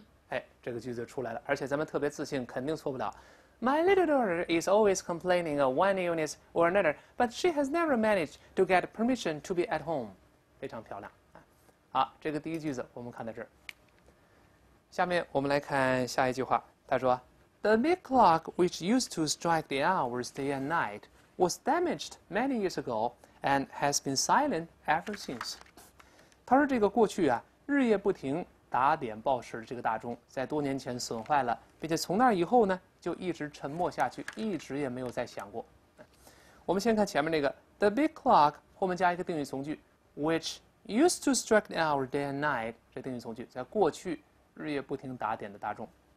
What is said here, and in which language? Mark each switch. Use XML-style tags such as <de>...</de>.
<zh>哎，这个句子出来了，而且咱们特别自信，肯定错不了。</zh> <en>My little daughter is always complaining of one illness or another, but she has never managed to get permission to be at home。</en> <zh>非常漂亮。好，这个第一句子我们看到这儿。下面我们来看下一句话。他说</zh> <en>The big clock which used to strike the hours day and night was damaged many years ago and has been silent ever since.</en> <zh>他说这个过去啊，日夜不停打点报时的这个大钟在多年前损坏了，并且从那以后呢就一直沉默下去，一直也没有再响过。我们先看前面那个</zh> <en>The big clock</en> <zh>后面加一个定语从句</zh> <en>which used to strike the hours day and night，</en> <zh>这定语从句在过去日夜不停打点的大钟。</zh>